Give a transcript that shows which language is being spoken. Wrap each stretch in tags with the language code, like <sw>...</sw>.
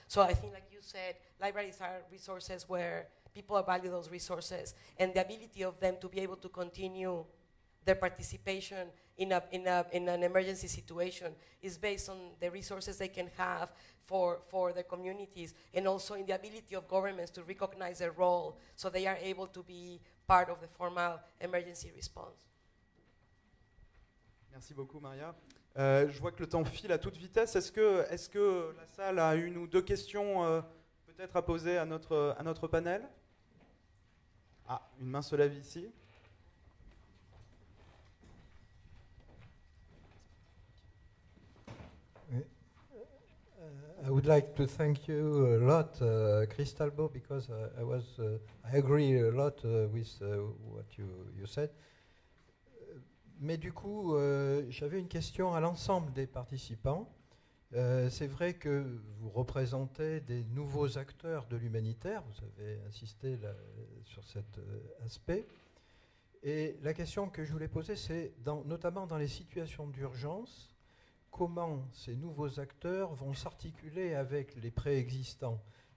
<en>So I think, like you said, libraries are resources where people value those resources, and the ability of them to be able to continue their participation in an emergency situation is based on the resources they can have for their communities, and also in the ability of governments to recognize their role so they are able to be part of the formal emergency response.</en> <fr>Merci beaucoup, Maria. Je vois que le temps file à toute vitesse. Est-ce que la salle a une ou deux questions peut-être à poser à notre panel? Ah, une main se lève ici.</fr> <en>I would like to thank you a lot, Cristalbo, because I agree a lot with what you said.</en> <fr>Mais du coup, j'avais une question à l'ensemble des participants. C'est vrai que vous représentez des nouveaux acteurs de l'humanitaire, vous avez insisté là, sur cet aspect. Et la question que je voulais poser, c'est notamment dans les situations d'urgence, comment ces nouveaux acteurs vont s'articuler avec les préexistants ?</fr>